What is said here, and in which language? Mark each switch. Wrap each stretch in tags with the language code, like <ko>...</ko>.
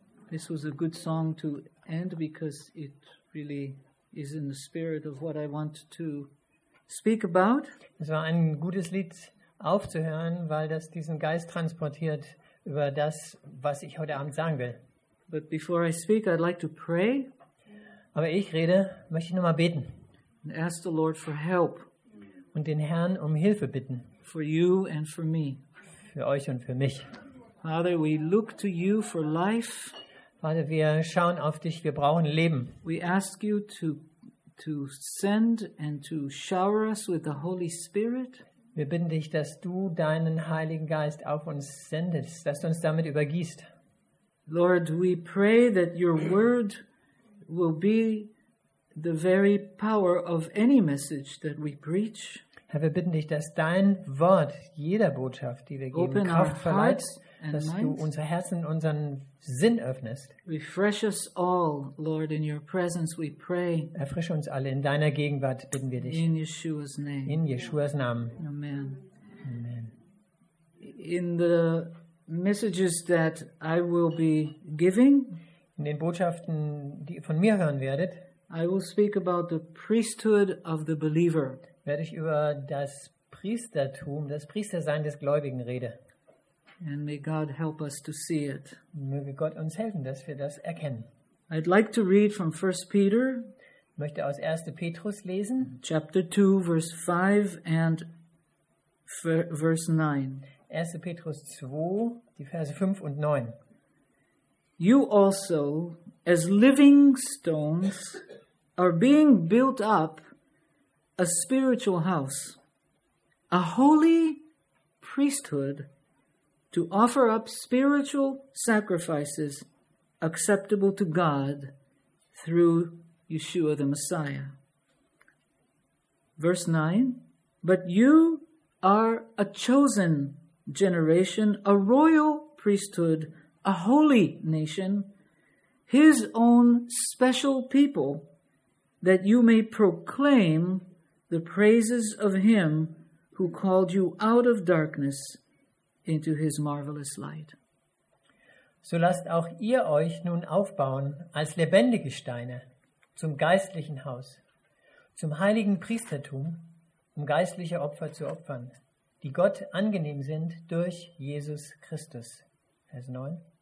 <en>This was a good song to end because it really is in the spirit of what I want to speak about.</en> <de>Es war ein gutes Lied aufzuhören, weil das diesen Geist transportiert über das, was ich heute Abend sagen will.</de> <en>But before I speak, I'd like to pray.</en> <de>Aber ich rede, möchte ich noch mal beten.</de> <en>And ask the Lord for help.</en> <de>Und den Herrn um Hilfe bitten.</de> <en>For you and for me.</en> <de>Für euch und für mich.</de> <en>Father, we look to you for life.</en> <de>Vater, wir schauen auf dich, wir brauchen Leben.</de> <en>We ask you to send and to shower us with the Holy Spirit.</en> <de>Wir bitten dich, dass du deinen Heiligen Geist auf uns sendest, dass du uns damit übergießt.</de> <en>Lord, we pray that your word will be the very power of any message that we preach.</en> <de>Herr, wir bitten dich, dass dein Wort jeder Botschaft, die wir geben, Kraft verleiht, dass du unser Herzen, unseren Sinn öffnest.</de> <en>Refresh us all, Lord, in your presence, we pray.</en> <de>Erfrische uns alle in deiner Gegenwart, bitten wir dich.</de> <en>In Yeshua's name.</en> <de>In Yeshua's Namen. Amen. Amen.</de> <en>In the messages that I will be giving,</en> <de>in den Botschaften, die ihr von mir hören werdet,</de> <en>I will speak about the priesthood of the believer.</en> <de>Werde ich über das Priestertum, das Priestersein des Gläubigen rede.</de> <en>And may God help us to see it.</en> <de>Möge Gott uns helfen, dass wir das erkennen.</de> <en>I'd like to read from 1 Peter.</en> <de>Ich möchte aus 1. Petrus lesen.</de> <en>Chapter 2, verse 5 and verse 9.</en> <de>1. Petrus 2, die Verse 5 und 9.</de> <en>You also, as living stones, are being built up a spiritual house, a holy priesthood, to offer up spiritual sacrifices acceptable to God through Yeshua the Messiah. Verse 9, but you are a chosen generation, a royal priesthood, a holy nation, his own special people, that you may proclaim the praises of him who called you out of darkness into his marvelous light.</en> <de>So lasst auch ihr euch nun aufbauen als lebendige Steine zum geistlichen Haus, zum heiligen Priestertum, um geistliche Opfer zu opfern, die Gott angenehm sind durch Jesus Christus. Vers 9.</de>